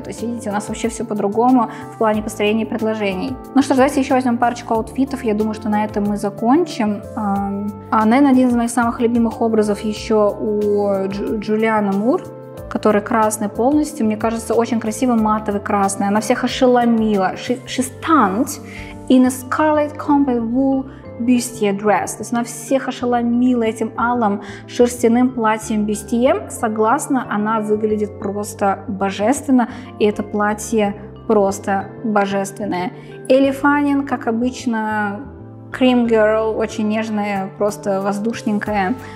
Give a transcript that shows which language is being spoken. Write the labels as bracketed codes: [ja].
[ru] То есть, видите, у нас вообще все по-другому в плане построения предложений. Ну что ж, давайте еще возьмем парочку аутфитов. Я думаю, что на этом мы закончим. Наверное, один из моих самых любимых образов еще у Джулианы Мур, который красный полностью. Мне кажется, очень красивый матовый красный. Она всех ошеломила. [en] She stunned in a scarlet combat wool бюстье дресс. [ru] То есть она всех ошеломила этим алым шерстяным платьем бюстье. Согласна, она выглядит просто божественно. И это платье просто божественное. Элли Фаннинг, как обычно, [en] cream girl, [ru] очень нежная, просто воздушненькая.